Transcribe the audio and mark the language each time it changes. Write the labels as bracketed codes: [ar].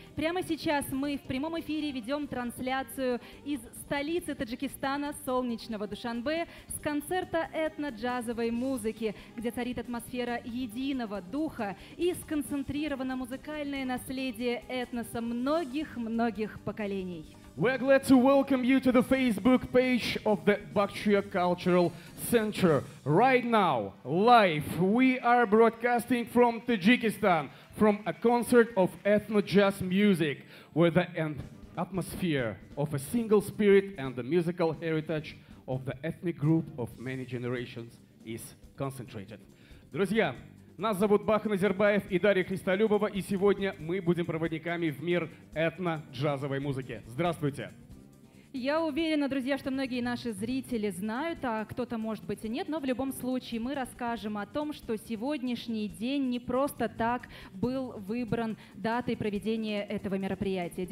[ru] Прямо сейчас мы в прямом эфире ведем трансляцию из столицы Таджикистана, солнечного Душанбе, с концерта этно-джазовой музыки, где царит атмосфера единого духа и сконцентрировано музыкальное наследие этноса многих-многих поколений. [en] We are glad to welcome you to the Facebook page of the Bactria Cultural Center. Right now, live, we are broadcasting from Tajikistan, from a concert of ethno-jazz music with an atmosphere of a single spirit and the musical heritage of the ethnic group of many generations is concentrated. [ru] Друзья, нас зовут Бахан Азербаев и Дарья Христолюбова, и сегодня мы будем проводниками в мир этно-джазовой музыки. Здравствуйте! Я уверена, друзья, что многие наши зрители знают, а кто-то, может быть, и нет, но в любом случае мы расскажем о том, что сегодняшний день не просто так был выбран датой проведения этого мероприятия.